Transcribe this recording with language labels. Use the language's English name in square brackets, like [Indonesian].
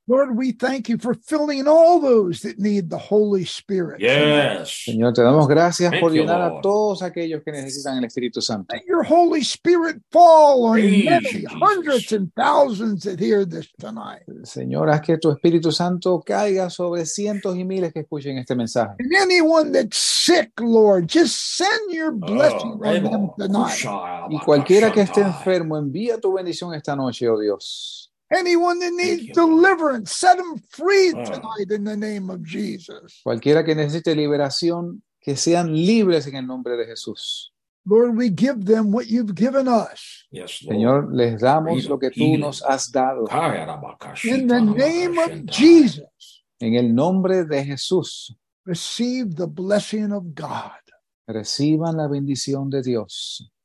[English] Lord, we thank you for filling all those that need the Holy Spirit. Yes. [Spanish] Señor, te damos gracias por llenar a todos aquellos que necesitan el Espíritu Santo. [English] Let your Holy Spirit fall on many hundreds and thousands that hear this tonight. [Spanish] Señor, haz que tu Espíritu Santo caiga sobre cientos y miles que escuchen este mensaje. [English] And anyone that's sick, Lord, just send your blessing on them tonight. [Spanish] Y cualquiera que esté enfermo, envía tu bendición esta noche, oh Dios. [English] Anyone that needs deliverance, set them free tonight in the name of Jesus. [Spanish] Cualquiera que necesite liberación, que sean libres en el nombre de Jesús. [English] Lord, we give them what you've given us. Yes, Lord. [Spanish] Señor, les damos lo que tú nos has dado. [English] In the name of Jesus. [Spanish] En el nombre de Jesús. [English] Receive the blessing of God. [Spanish] Reciban la bendición de Dios.